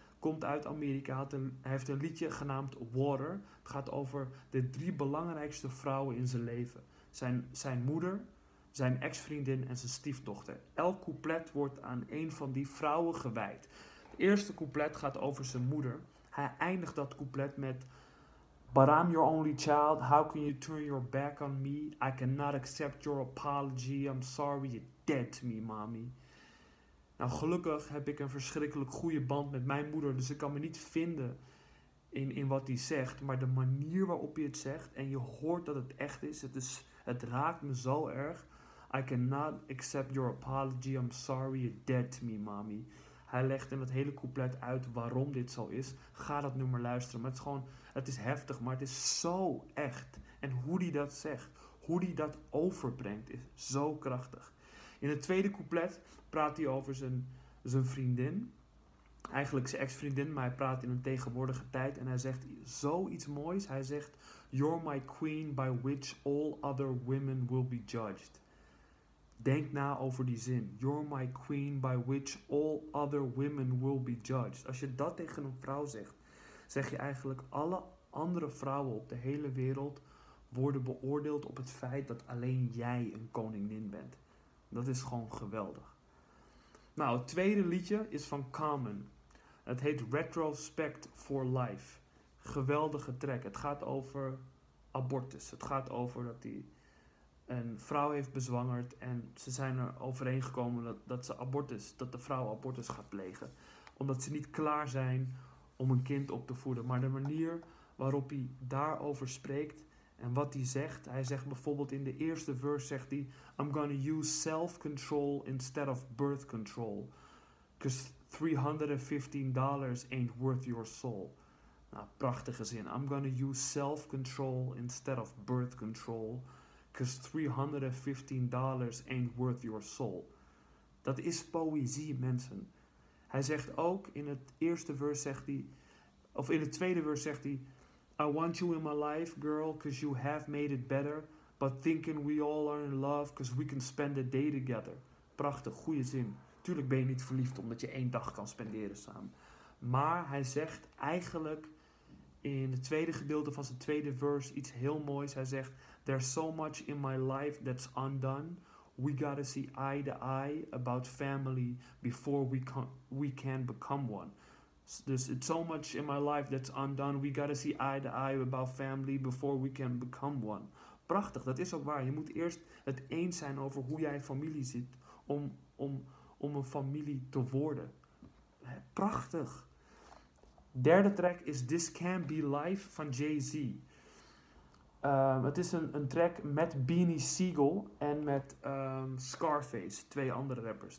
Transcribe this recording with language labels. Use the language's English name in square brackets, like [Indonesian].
[Dutch] Komt uit Amerika, heeft een liedje genaamd Water. Het gaat over de 3 belangrijkste vrouwen in zijn leven. Zijn moeder, zijn ex-vriendin en zijn stiefdochter. Elk couplet wordt aan een van die vrouwen gewijd. Het eerste couplet gaat over zijn moeder. Hij eindigt dat couplet met... [English] But I'm your only child. How can you turn your back on me? I cannot accept your apology. I'm sorry you dead to me, mommy. [Dutch] Nou, gelukkig heb ik een verschrikkelijk goede band met mijn moeder. Dus ik kan me niet vinden in wat hij zegt. Maar de manier waarop hij het zegt en je hoort dat het echt is... Het raakt me zo erg. [English] I cannot accept your apology. I'm sorry you're dead to me, mommy. [Dutch] Hij legt in dat hele couplet uit waarom dit zo is. Ga dat nummer luisteren. Maar het is heftig, maar het is zo echt. En hoe die dat zegt, hoe die dat overbrengt, is zo krachtig. In het tweede couplet praat hij over zijn vriendin. Eigenlijk zijn ex-vriendin, maar hij praat in een tegenwoordige tijd. En hij zegt zoiets moois. Hij zegt... [English] You're my queen by which all other women will be judged. [Dutch] Denk na over die zin. [English] You're my queen by which all other women will be judged. [Dutch] Als je dat tegen een vrouw zegt, zeg je eigenlijk... Alle andere vrouwen op de hele wereld worden beoordeeld op het feit dat alleen jij een koningin bent. Dat is gewoon geweldig. Nou, het tweede liedje is van Common. Het heet Retrospect for Life. Geweldige track. Het gaat over abortus. Het gaat over dat hij een vrouw heeft bezwangerd. En ze zijn er overeengekomen dat de vrouw abortus gaat plegen. Omdat ze niet klaar zijn om een kind op te voeden. Maar de manier waarop hij daarover spreekt en wat hij zegt. Hij zegt bijvoorbeeld in de eerste verse zegt hij... [English] I'm gonna use self-control instead of birth control. Because $315 ain't worth your soul. [Dutch] Nou, prachtige zin. [English] I'm gonna use self-control instead of birth control. Because $315 ain't worth your soul. [Dutch] Dat is poëzie, mensen. Hij zegt ook, in het eerste verse zegt hij... Of in het tweede verse zegt hij... [English] I want you in my life, girl, because you have made it better. But thinking we all are in love, because we can spend a day together. [Dutch] Prachtig, goede zin. Tuurlijk ben je niet verliefd omdat je 1 dag kan spenderen samen. Maar hij zegt eigenlijk... In het tweede gedeelte van zijn tweede verse iets heel moois. Hij zegt, [English] there's so much in my life that's undone. We gotta see eye to eye about family before we can become one. There's so much in my life that's undone. We gotta see eye to eye about family before we can become one. [Dutch] Prachtig, dat is ook waar. Je moet eerst het eens zijn over hoe jij familie ziet om een familie te worden. Prachtig. Derde track is This Can't Be Life van Jay-Z. Het is een track met Beanie Siegel en met Scarface, 2 andere rappers.